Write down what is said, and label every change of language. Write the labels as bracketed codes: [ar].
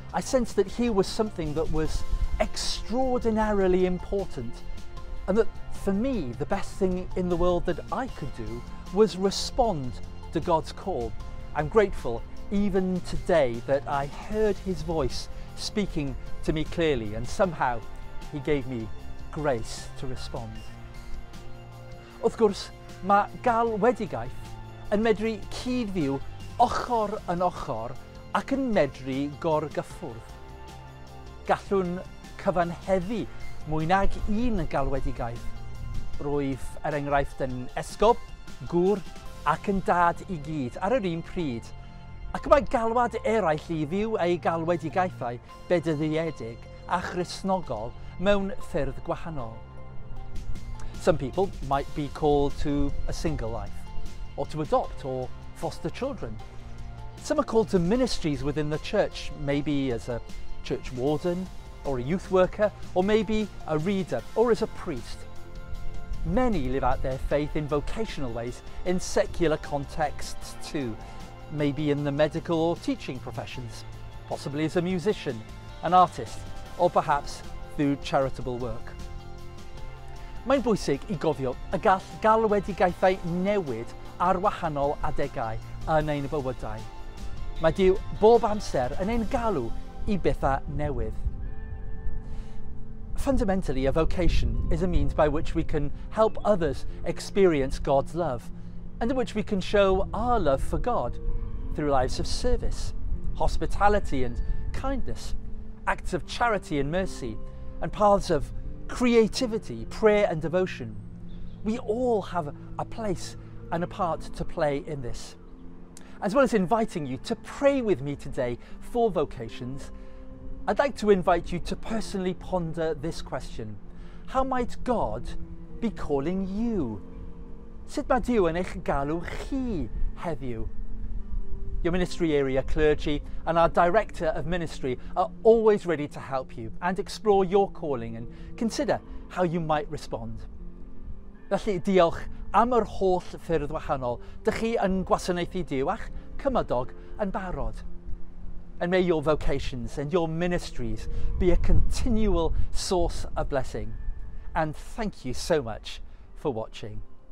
[en] I sensed that here was something that was extraordinarily important and that for me the best thing in the world that I could do was respond to God's call. I'm grateful even today that I heard his voice speaking to me clearly and somehow he gave me grace to respond. Of course, [cy] mae galwedigaeth yn medru cydfyw ochr yn ochr ac yn medru gorgyffwrdd. Gallwn cyfanheddu mwy nag un galwedigaeth. Rwyf er enghraifft yn esgob, gŵr ac yn dad I gyd ar yr un pryd. Ac mae galwad eraill I fyw ei galwedigaethau bedyddiedig a chrisnogol mewn ffyrdd gwahanol. [en] Some people might be called to a single life, or to adopt or foster children. Some are called to ministries within the church, maybe as a church warden, or a youth worker, or maybe a reader, or as a priest. Many live out their faith in vocational ways, in secular contexts too, maybe in the medical or teaching professions, possibly as a musician, an artist, or perhaps through charitable work. [cy] Mae'n bwysig I gofio y gall galwedigaethau newid ar wahanol adegau yn ein bywydau. Mae Duw bob amser yn ein galw I bethau newydd. [en] Fundamentally, a vocation is a means by which we can help others experience God's love and in which we can show our love for God through lives of service, hospitality and kindness, acts of charity and mercy, and paths of creativity, prayer and devotion. We all have a place and a part to play in this. As well as inviting you to pray with me today for vocations, I'd like to invite you to personally ponder this question. How might God be calling you? [cy] Sut mae Duw yn eich galw chi heddiw? [en] Your ministry area clergy and our director of ministry are always ready to help you and explore your calling and consider how you might respond. [cy] Felly diolch am yr holl ffyrdd wahanol dych chi yn gwasanaethu Duw a'ch cymadog yn barod. [en] And may your vocations and your ministries be a continual source of blessing. And thank you so much for watching.